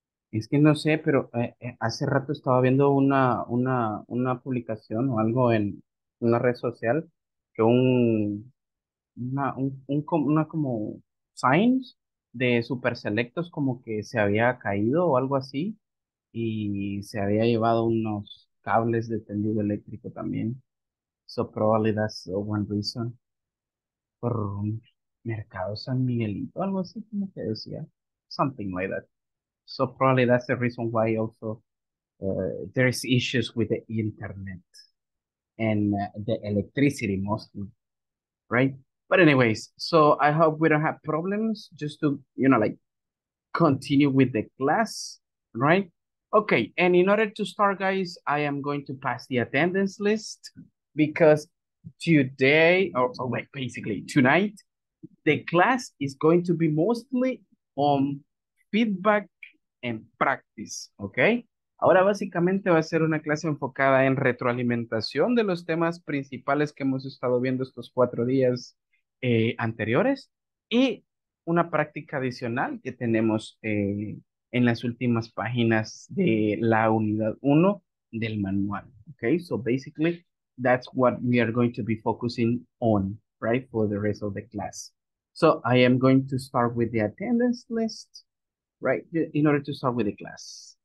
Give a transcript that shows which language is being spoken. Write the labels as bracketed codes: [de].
[es] Es que no sé, pero hace rato estaba viendo una publicación o algo en una red social que una como signs de super selectos como que se había caído o algo así y se había llevado unos cables de tendido eléctrico también. [en] So probably that's one reason. [es] Por un mercado San Miguelito, algo así como que decía. [en] Something like that. So probably that's the reason why also there is issues with the internet and the electricity mostly, right? But anyways, so I hope we don't have problems just to, you know, like continue with the class, right? Okay, and in order to start, guys, I am going to pass the attendance list because today, or basically tonight, the class is going to be mostly on feedback en practice, ¿ok? [es] Ahora básicamente va a ser una clase enfocada en retroalimentación de los temas principales que hemos estado viendo estos 4 días anteriores y una práctica adicional que tenemos en las últimas páginas de la unidad 1 del manual, ¿ok? [en] So basically, that's what we are going to be focusing on, right, for the rest of the class. So I am going to start with the attendance list. Right, in order to start with the class.